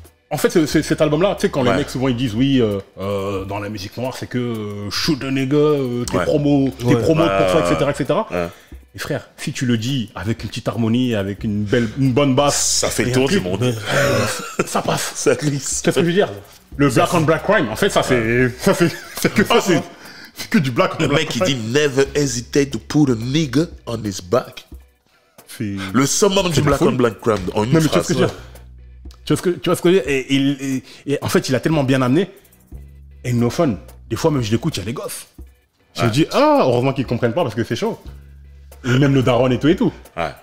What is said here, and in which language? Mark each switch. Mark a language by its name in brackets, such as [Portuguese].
[French] En fait, cet album-là, tu sais, quand les mecs souvent ils disent oui, dans la musique noire, c'est que [English] shoot the nigga, [French] tes promos pour ça, etc. etc. Ouais. Et frère, si tu le dis avec une petite harmonie, avec une bonne basse. Ça fait le tour du monde. Ça passe. Ça glisse. Qu'est-ce que je veux dire? Le black on black crime, en fait, ça fait. Ouais. C'est que du black on [English] black crime. [French] Le mec qui dit [English] never hesitate to put a nigga on his back. [French] Le summum du black on black crime en une phrase. Tu vois ce que je veux dire? Et en fait, il a tellement bien amené. Et no fun. Des fois, même je l'écoute, il y a les gosses. Je me dis, heureusement qu'ils ne comprennent pas parce que c'est chaud. Et même le daron et tout et tout. Ouais.